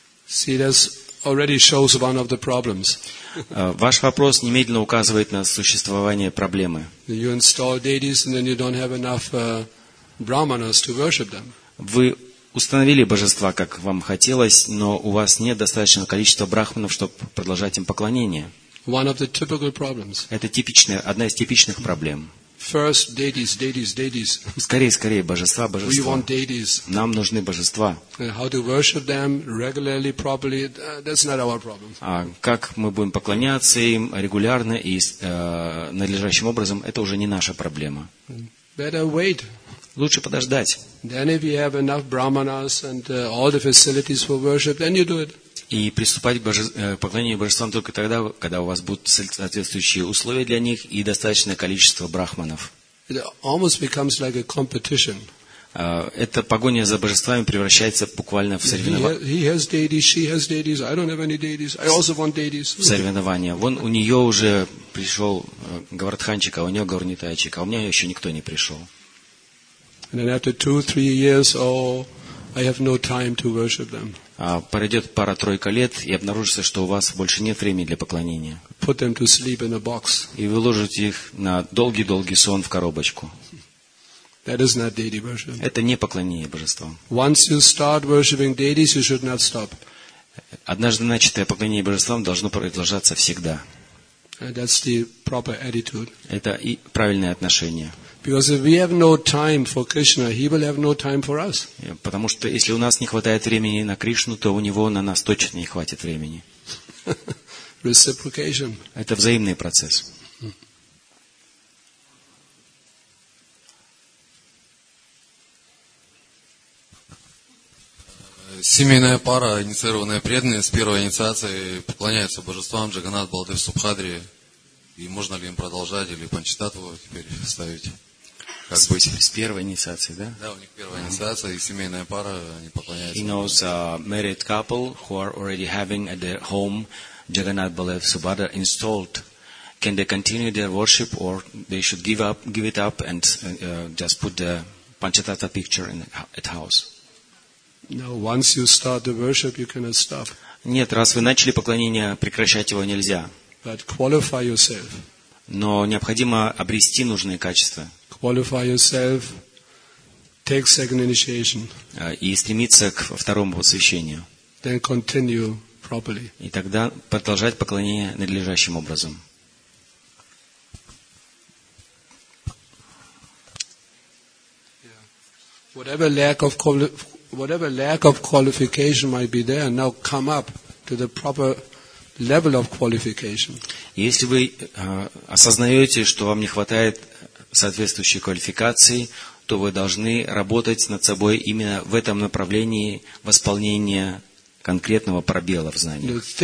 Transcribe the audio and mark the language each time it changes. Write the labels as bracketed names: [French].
[English] See, that already shows one of the problems. [Russian] Ваш вопрос немедленно указывает на существование проблемы. [English] You install deities and then you don't have enough brahmanas to worship them. [Russian] Вы установили божества, как вам хотелось, но у вас нет достаточного количества брахманов, чтобы продолжать им поклонение. [English] One of the typical problems. [Russian] Это типичная, одна из типичных проблем. [English] First, deities. [Russian] Скорее, божества. [English] We want deities. [Russian] Нам нужны божества. [English] How to worship them regularly, properly, that's not our problem. [Russian] А как мы будем поклоняться им регулярно и надлежащим образом, это уже не наша проблема. [English] Better wait. [Russian] Лучше подождать. [English] Then if you have enough brahmanas and all the facilities for worship, then you do it. [Russian] И приступать к поклонению божествам только тогда, когда у вас будут соответствующие условия для них и достаточное количество брахманов. [English] It almost becomes like a competition. [Russian] Эта погоня за божествами превращается буквально в соревнование. [English] He has deities, she has deities. I don't have any deities. I also want deities. [Russian] В соревнование. Вон у нее уже пришел Гавардханчик, а у нее Гаурнитайчик, а у меня еще никто не пришел. [English] And then after 2-3 years, I have no time to worship them. [Russian] Пройдет пара-тройка лет, и обнаружится, что у вас больше нет времени для поклонения. [English] Put them to sleep in a box. [Russian] И вы ложите их на долгий-долгий сон в коробочку. [English] That is not deity worship. [Russian] Это не поклонение божествам. [English] Once you start worshiping deities, you should not stop. [Russian] Однажды начатое поклонение божествам должно продолжаться всегда. [English] That's the proper attitude. [Russian] Это и правильное отношение. [English] Because if we have no time for Krishna, he will have no time for us. [Russian] Потому что если у нас не хватает времени на Кришну, то у него на нас точно не хватит времени. [English] Reciprocation. [Russian] Это взаимный процесс. Семейная пара, инициированная преданная с первой инициацией, поклоняется божествам Джаганат, Баладев, Субхадри. И можно ли им продолжать или панчитатву теперь ставить? Как быть? С первой инициации, да? Да, у них первая инициация, и семейная пара, они поклоняются. [English] He knows a married couple who are already having at their home Jagannath Balev Subhadra installed. Can they continue their worship or they should give it up and just put the Panchatattva picture at house? No, once you start the worship, you cannot stop. [Russian] Нет, раз вы начали поклонение, прекращать его нельзя. [English] But qualify yourself. [Russian] Но необходимо обрести нужные качества. [English] Qualify yourself, take second initiation. [Russian] И стремиться к второму посвящению. [English] Then continue properly. [Russian] И тогда продолжать поклонение надлежащим образом. [English] Yeah. Whatever lack of qualification might be there, now come up to the proper level of qualification. [Russian] Если вы осознаете, что вам не хватает соответствующей квалификации, то вы должны работать над собой именно в этом направлении восполнения конкретного пробела в знаниях.